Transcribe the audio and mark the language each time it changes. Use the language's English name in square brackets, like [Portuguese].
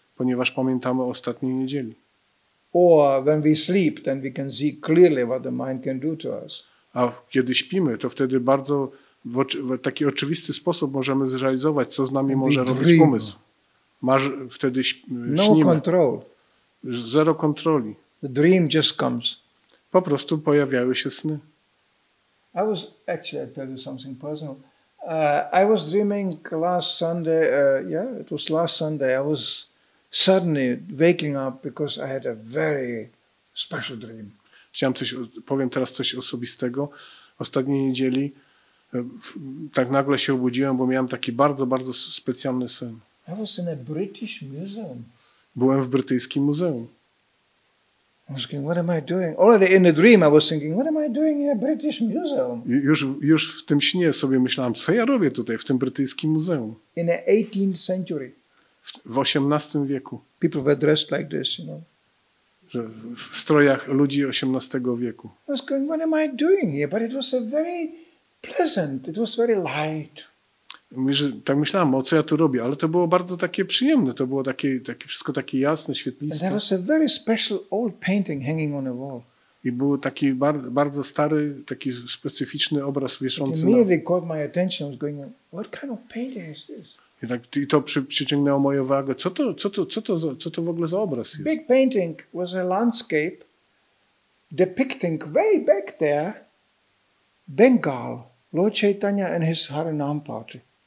[Polish] Ponieważ pamiętamy ostatniej niedzieli. [English] Or when we sleep, then we can see clearly what the mind can do to us. [Polish] A kiedy śpimy, to wtedy bardzo w taki oczywisty sposób możemy zrealizować, co z nami może robić umysł. Wtedy śnimy. [English] No control. [Polish] Zero kontroli. [English] The dream just comes. [Polish] Po prostu pojawiały się sny. [English] I was actually, I'll tell you something personal. I was dreaming last Sunday. It was last Sunday. I was suddenly waking up because I had a very special dream. [Polish] Powiem teraz coś osobistego. Ostatniej niedzieli tak nagle się obudziłem, bo miałem taki bardzo, bardzo specjalny sen. [English] I was in a British museum. [Polish] Byłem w brytyjskim muzeum. [English] I was thinking, what am I doing? Already in the dream I was thinking, what am I doing in a British museum? [Polish] Już w tym śnie sobie myślałem, co ja robię tutaj w tym brytyjskim muzeum. [English] In the 18th century. [Polish] W XVIII wieku. [English] People were dressed like this, you know. [Polish] Że w strojach ludzi XVIII wieku. [English] I was going, what am I doing here? But it was a very pleasant, it was very light. [Polish] Tak myślałem, o co ja tu robię, ale to było bardzo takie przyjemne, to było takie wszystko takie jasne, świetliste. [English] And there was a very special old painting hanging on a wall. [Polish] I był taki bardzo stary, taki specyficzny obraz wieszący. [English] It immediately caught my attention. I was going, what kind of painting is this? [Polish] I to przyciągnęło moją uwagę. Co to w ogóle za obraz jest? [English] Big painting was a landscape depicting way back there Bengal, Lord Chaitanya and his Harinam party.